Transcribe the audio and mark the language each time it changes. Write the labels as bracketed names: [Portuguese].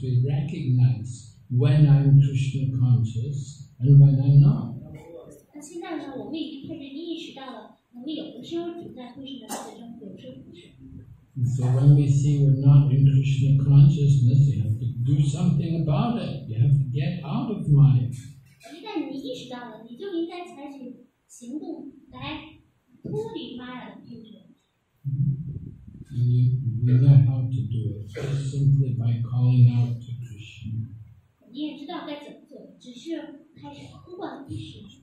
[English] We recognize when I'm Krishna conscious and when I'm not. So when we see we're not in Krishna consciousness, you have to do something about it. You have to get out of mind. [Chinese] 一旦你意识到了，你就应该采取行动来脱离玛雅的控制。 [English] You know how to do it, just simply by calling out to Krishna. [Chinese] 你也知道该怎么做，只是开始呼唤意识。